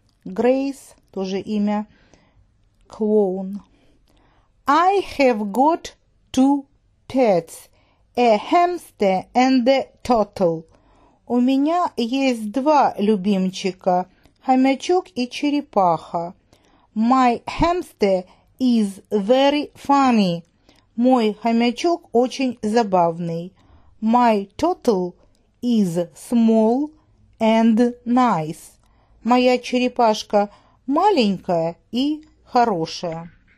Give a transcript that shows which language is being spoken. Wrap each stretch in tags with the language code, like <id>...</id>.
<ru>Grace, тоже имя.</ru> <en>Clown. I have got two pets. A hamster and a turtle.</en> <ru>У меня есть два любимчика. Хомячок и черепаха.</ru> <en>My hamster is very funny.</en> <ru>Мой хомячок очень забавный.</ru> <en>My turtle is small and nice.</en> <ru>Моя черепашка маленькая и хорошая.</ru>